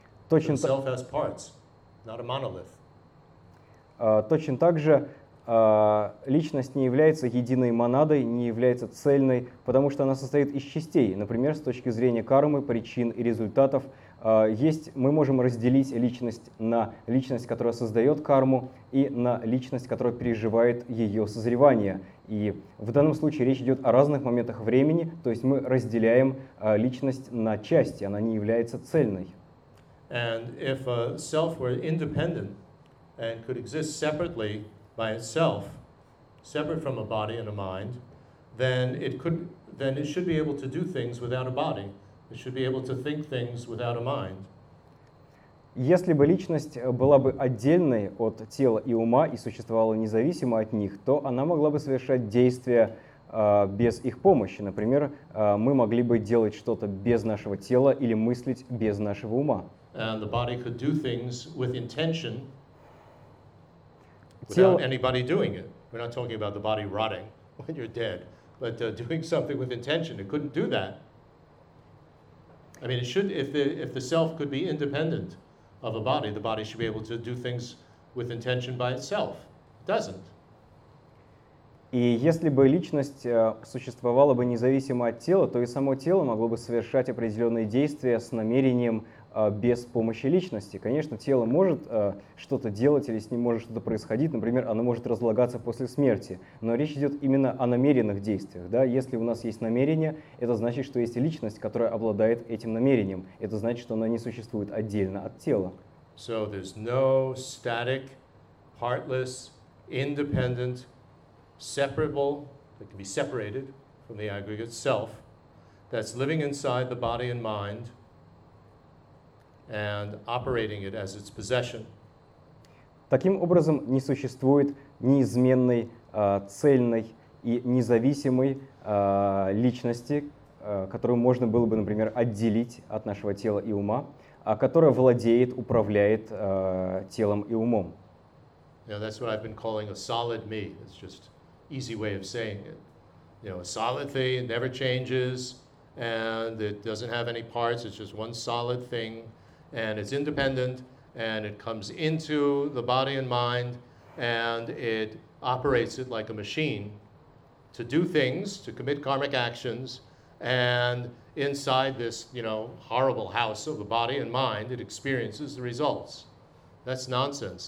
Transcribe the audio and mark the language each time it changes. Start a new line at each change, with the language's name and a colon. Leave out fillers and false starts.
Russian: Точно
English: self as parts, not a monolith.
Russian: Точно так же личность не является единой монадой, не является цельной, потому что она состоит из частей. Например, с точки зрения кармы, причин и результатов, мы можем разделить личность на личность, которая создает карму, и на личность, которая переживает ее созревание. И в данном случае речь идет о разных моментах времени, то есть мы разделяем личность на части, она не является цельной.
English: And if a self were independent and could exist separately by itself, separate from a body and a mind, then it should be able to do things without a body. It should be able to think things without a mind.
Russian: Если бы личность была бы отдельной от тела и ума и существовала независимо от них, то она могла бы совершать действия без их помощи. Например, мы могли бы делать что-то без нашего тела или мыслить без нашего ума.
English: And the body could do things with intention without anybody doing it. We're not talking about the body rotting when you're dead, but doing something with intention. It couldn't do that. I mean, it should. If the self could be independent of a body, the body should be able to do things with intention by itself. It doesn't.
Russian: И если бы личность существовала бы независимо от тела, то и само тело могло бы совершать определенные действия с намерением без помощи личности. Конечно, тело может что-то делать или с ним может что-то происходить. Например, оно может разлагаться после смерти. Но речь идет именно о намеренных действиях. Да? Если у нас есть намерение, это значит, что есть личность, которая обладает этим намерением. Это значит, что она не существует отдельно от тела.
English: So there's no static, heartless, independent, separable, that can be separated from the aggregate self, that's living inside the body and mind, and operating it as its possession.
Russian: Таким образом, не существует неизменной, цельной и независимой личности, которую можно было бы, например, отделить от нашего тела и ума, а которая владеет, управляет телом и умом.
English: You know, that's what I've been calling a solid me. It's just easy way of saying it. You know, a solid thing, it never changes, and it doesn't have any parts, it's just one solid thing. And it's independent, and it comes into the body and mind, and it operates it like a machine to do things, to commit karmic actions, and inside this, you know, horrible house of the body and mind, it experiences the results. That's nonsense.